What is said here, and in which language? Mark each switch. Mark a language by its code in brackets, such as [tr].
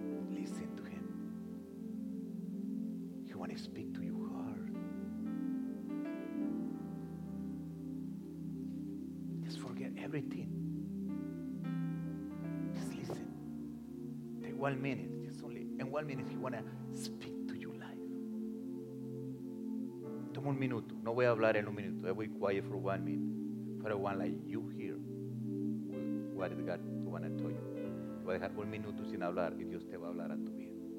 [en] Listen to Him. He wants to speak to your heart. Just forget everything. Just listen. Take 1 minute. One minute, if you want to speak to your life. [es] Toma un minuto. No voy a hablar en un minuto. [en] I will be quiet for 1 minute. For a one like you hear what is God want to tell you. [es] Te voy a dejar 1 minuto sin hablar y Dios te va a hablar a tu vida.